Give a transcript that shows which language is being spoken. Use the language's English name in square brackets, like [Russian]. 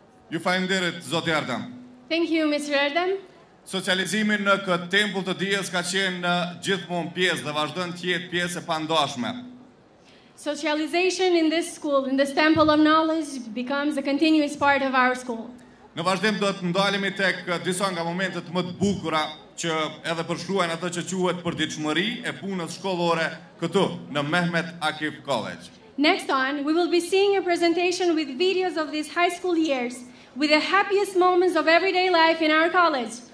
[Albanian] Ju falenderit, Zoti Erdem. [English] Thank you, Mr. Erdem. [Albanian] Socializimi në këtë tempull të dijes ka qenë gjithmonë pjesë dhe vazhdon të jetë pjesë e pandashme. [English] Socialization in this school, in this temple of knowledge, becomes a continuous part of our school. [Albanian] Në vazhdim do të ndalemi tek disa nga momentet më të bukura që edhe përshkruajnë atë që quhet përditshmëri e punës shkollore këtu në Mehmet Akif College. [English] Next on, we will be seeing a presentation with videos of these high school years, with the happiest moments of everyday life in our college.